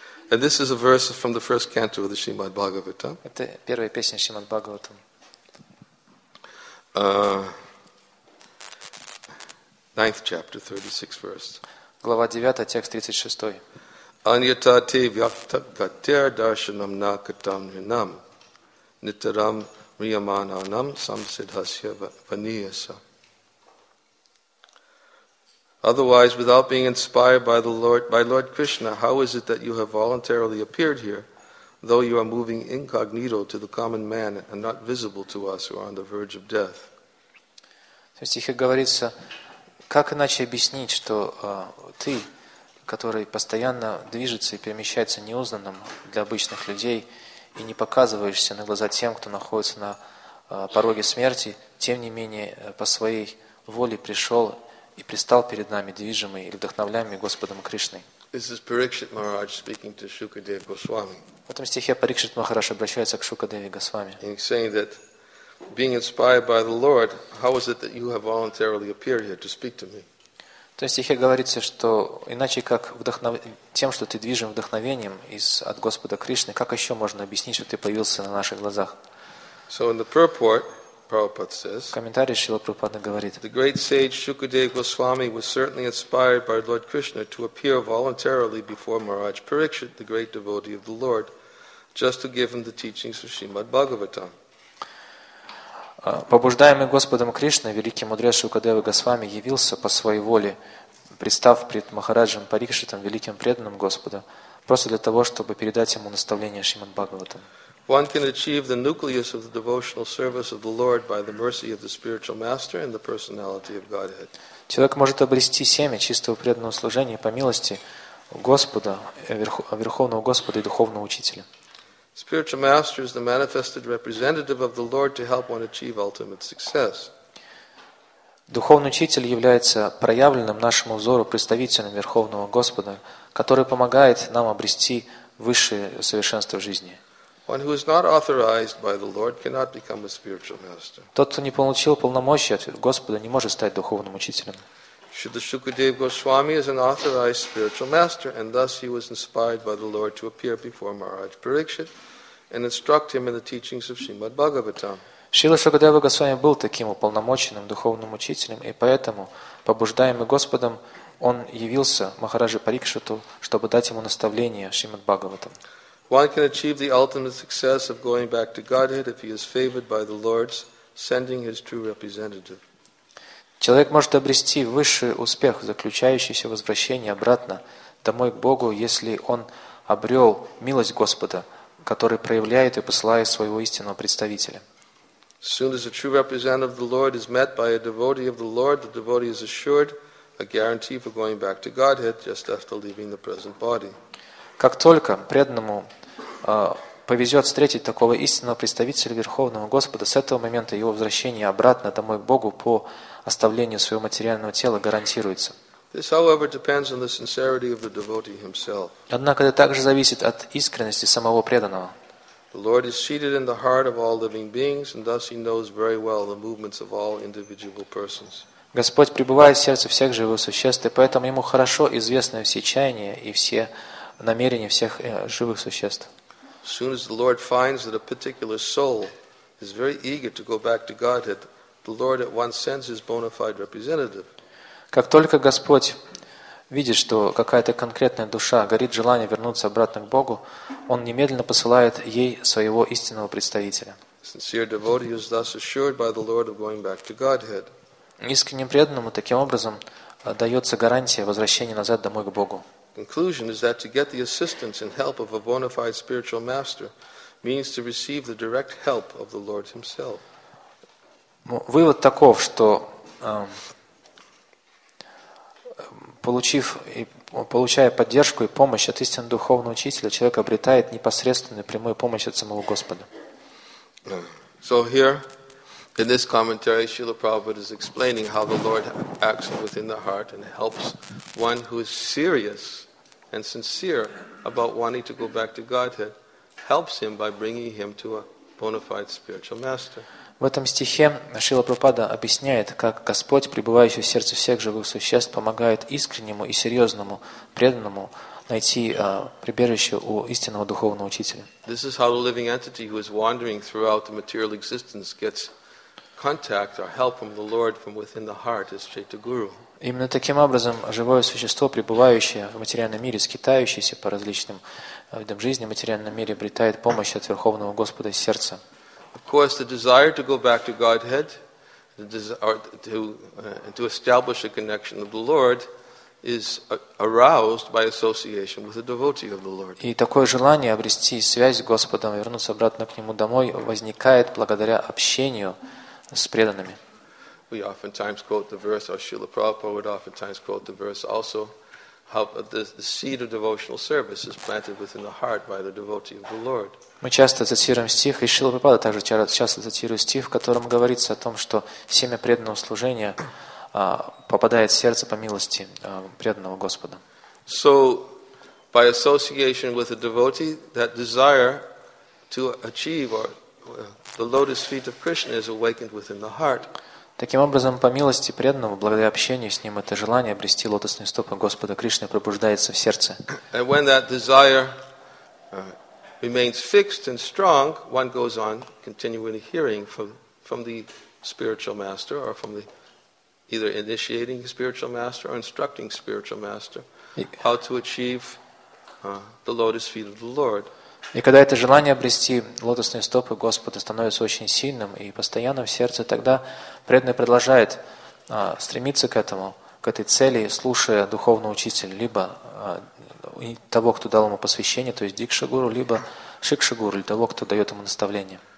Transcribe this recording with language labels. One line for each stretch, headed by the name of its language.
English: And this is a verse from the first canto of the Srimad Bhagavatam.
Russian: Это первая песня Шримад Бхагаватам.
English: Ninth chapter, 36th verse.
Russian: Глава 9, текст 36.
Sanskrit: Аньятати вьяхта гатер даршанам накатам нинам нитарам риямананам самсидхасья ваниеса.
English: Otherwise, without being inspired by Lord Krishna, how is it that you have voluntarily appeared here, though you are moving incognito to the common man and not visible to us who are on the verge of death?
Russian: В стихе говорится, как иначе объяснить, что ты, который постоянно движется и перемещается неузнанным для обычных людей и не показываешься на глаза тем, кто находится на пороге смерти, тем не менее по своей воле пришел и предстал перед нами, движимый и вдохновляемый Господом Кришной. В этом стихе Парикшит Махарадж обращается к Шукадеве Госвами.
English: Being inspired by the Lord, how is it that you have voluntarily appeared here to speak to me?
Russian: То есть стихе говорится, что иначе как тем, что ты движим вдохновением от Господа Кришны, как еще можно объяснить, что ты появился на наших глазах?
English: So in the purport, Prabhupada says.
Russian: В комментарии Шрила Прабхупада говорит.
English: The great sage Shukadeva Goswami was certainly inspired by Lord Krishna to appear voluntarily before Maharaj Parikshit, the great devotee of the Lord, just to give him the teachings of Srimad Bhagavatam.
Russian: Побуждаемый Господом Кришной, великий мудрец Шукадева Госвами явился по своей воле, представ пред Махараджем Парикшитом, великим преданным Господа, просто для того, чтобы передать ему наставление Шримад Бхагаватам.
English: One can achieve the nucleus of the devotional service of the Lord by the mercy of the spiritual master and the personality of Godhead.
Russian: Человек может обрести семя чистого преданного служения по милости Господа, Верховного Господа и Духовного Учителя.
English: Spiritual master is the manifested representative of the Lord to help one achieve ultimate success.
Russian: Духовный учитель является проявленным нашему взору представителем Верховного Господа, который помогает нам обрести высшее совершенство в жизни.
English: One who is not authorized by the Lord cannot become a spiritual master.
Russian: Тот, кто не получил полномочий от Господа, не может стать духовным учителем.
English: Shrila Shukadeva Goswami is an authorized spiritual master, and thus he was inspired by the Lord to appear before Maharaj Parikshit and instruct him in the teachings of Srimad Bhagavatam.
Russian: Shrila Shukadeva Goswami был таким уполномоченным духовным учителем, и поэтому, побуждаемый Господом, он явился Махараджи Парикшиту, чтобы дать ему наставление Шримад Бхагаватам.
English: One can achieve the ultimate success of going back to Godhead if he is favored by the Lord's sending his true representative.
Russian: Человек может обрести высший успех, заключающийся в возвращении обратно домой к Богу, если он обрел милость Господа, который проявляет и посылает своего истинного представителя.
English: As soon as a true representative of the Lord is met by a devotee of the devotee is assured a guarantee for going back to Godhead just after leaving the present body.
Russian: Как только преданному повезет встретить такого истинного представителя Верховного Господа, с этого момента его возвращение обратно домой к Богу по оставлению своего материального тела гарантируется.
English: This, however, depends on the sincerity of the devotee himself.
Russian: Однако это также зависит от искренности самого преданного.
English: The Lord is seated in the heart of all living beings, and thus he knows very well the movements of all individual persons.
Russian: Господь пребывает в сердце всех живых существ, и поэтому ему хорошо известны все чаяния и все намерения всех живых существ.
English: As soon as the Lord finds that a particular soul is very eager to go back to Godhead, the Lord at once sends his bona fide representative.
Russian: Как только Господь видит, что какая-то конкретная душа горит желанием вернуться обратно к Богу, он немедленно посылает ей своего истинного представителя.
English: Sincere devotee is thus assured by the Lord of going back to Godhead.
Russian: Искренним преданному таким образом дается гарантия возвращения назад домой к Богу.
English: Conclusion is that to get the assistance and help of a bona fide spiritual master means to receive the direct help of the Lord himself.
Russian: Вывод таков, что получая поддержку и помощь от истинного духовного учителя, человек обретает непосредственную прямую помощь от самого Господа.
English: So here, in this commentary, Srila Prabhupada is explaining how the Lord acts within the heart and helps one who is serious and sincere about wanting to go back to Godhead, helps him by bringing him to a bona fide spiritual master.
Russian: В этом стихе Шрила Прабхупада объясняет, как Господь, пребывающий в сердце всех живых существ, помогает искреннему и серьезному преданному найти прибежище у истинного духовного учителя.
English: This is how the living entity who is wandering throughout the material existence gets contact or help from the Lord from within the heart is Chaitanya Guru.
Russian: Именно таким образом живое существо, пребывающее в материальном мире, скитающееся по различным видам жизни в материальном мире, обретает помощь от Верховного Господа из сердца.
English: Of course, the desire to go back to Godhead, to establish a connection with the Lord, is aroused by association with a devotee of the Lord.
Russian: И такое желание обрести связь с Господом, вернуться обратно к Нему домой, возникает благодаря общению с преданными.
English: We oftentimes quote the verse, or Srila Prabhupada would oftentimes quote the verse also, how the seed of devotional service is planted within the heart by the devotee of the Lord.
Russian: Мы часто цитируем стих, и Шрила Прабхупада также часто цитирует стих, в котором говорится о том, что семя преданного служения попадает в сердце по милости преданного Господа.
English: So, by association with a devotee, that desire to achieve or the lotus feet of Krishna is awakened within the heart.
Russian: Таким образом, по милости преданного, благодаря общению с ним, это желание обрести лотосные стопы Господа Кришны пробуждается в сердце.
English: And when that desire remains fixed and strong, one goes on continually hearing from the spiritual master or from the either initiating spiritual master or instructing spiritual master how to achieve the lotus feet of the Lord.
Russian: И когда это желание обрести лотосные стопы Господа становится очень сильным и постоянным в сердце, тогда преданный продолжает стремиться к этому, к этой цели, слушая духовного учителя, либо того, кто дал ему посвящение, то есть Дикшагуру, либо Шикшагуру, или того, кто дает ему наставление.